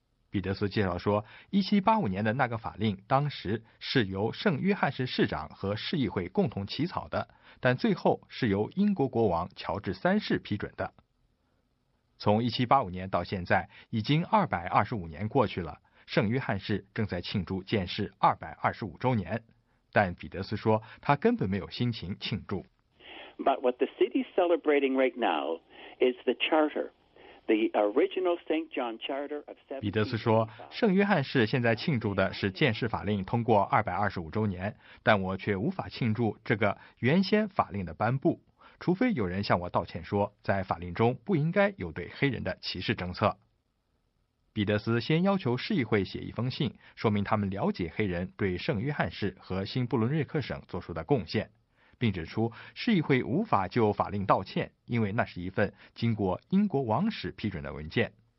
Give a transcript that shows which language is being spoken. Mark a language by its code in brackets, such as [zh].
[zh] 彼得斯介绍说，1785年的那个法令当时是由圣约翰市市长和市议会共同起草的，但最后是由英国国王乔治三世批准的。从1785年到现在，已经225年过去了。圣约翰市正在庆祝建市225周年，但彼得斯说他根本没有心情庆祝。 [en] But what the city is celebrating right now is the charter, the original St. John Charter of 1785. [zh] 彼得斯说，圣约翰市现在庆祝的是建市法令通过225周年，但我却无法庆祝这个原先法令的颁布，除非有人向我道歉说，在法令中不应该有对黑人的歧视政策。彼得斯先要求市议会写一封信，说明他们了解黑人对圣约翰市和新布伦瑞克省做出的贡献，并指出市议会无法就法令道歉，因为那是一份经过英国王室批准的文件。